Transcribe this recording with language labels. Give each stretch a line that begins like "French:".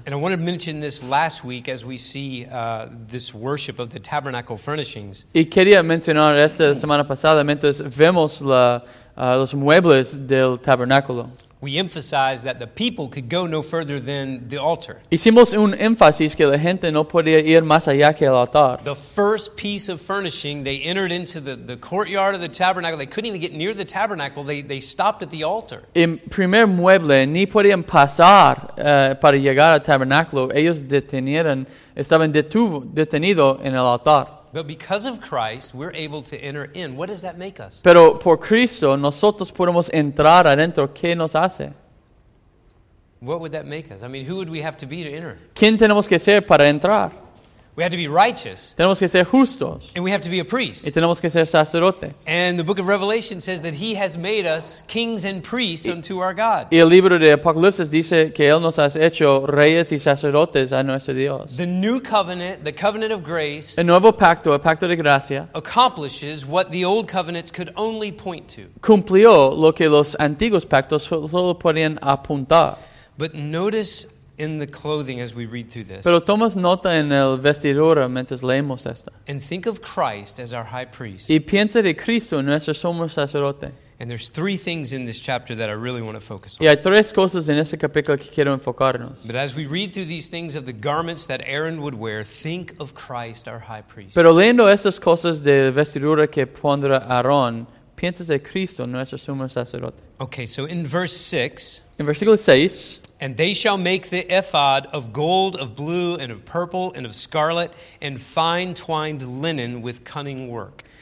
English: And I wanted to mention this last week as we see this worship of the tabernacle furnishings.
Spanish: Y quería mencionar esta semana pasada mientras vemos los muebles del tabernáculo.
English: We emphasized that the people could go no further than the altar.
Spanish: Hicimos un énfasis que la gente no podía ir más allá que el altar.
English: The first piece of furnishing, they entered into the courtyard of the tabernacle. They couldn't even get near the tabernacle. They stopped at the altar.
Spanish: El primer mueble, ni podían pasar para llegar al tabernáculo. Ellos estaban detenidos en el altar.
English: But because of Christ, we're able to enter in. What does that make us?
Spanish: Pero por Cristo, nosotros podemos entrar adentro. ¿Qué nos hace?
English: What would that make us? I mean, who would we have to be to enter?
Spanish: ¿Quién tenemos que ser para entrar?
English: We have to be righteous.
Spanish: Tenemos que ser justos.
English: And we have to be a priest.
Spanish: Y tenemos que ser sacerdotes.
English: And the book of Revelation says that he has made us kings and priests unto our God.
Spanish: Y el libro de Apocalipsis dice que él nos ha hecho reyes y sacerdotes a nuestro Dios.
English: The new covenant, the covenant of grace,
Spanish: el nuevo pacto, el pacto de gracia,
English: accomplishes what the old covenants could only point to.
Spanish: Cumplió lo que los antiguos pactos solo podían apuntar.
English: But notice in the clothing as we read through this.
Spanish: Pero tomas nota en el vestidura mientras leemos esto.
English: And think of Christ as our high priest.
Spanish: Y piensa de Cristo, nuestro sumo sacerdote.
English: And there's three things in this chapter that I really want to focus on.
Spanish: Y hay tres cosas en este capítulo que quiero enfocarnos.
English: But as we read through these things of the garments that Aaron would wear, think of Christ our high priest.
Spanish: Pero leyendo estas cosas de vestidura que pondrá Aarón, piensa de Cristo, nuestro sumo sacerdote.
English: Okay, so in verse 6.
Spanish: En versículo 6.
English: And they shall make the ephod of gold, of blue, and of purple, and of scarlet, and fine twined linen with cunning work.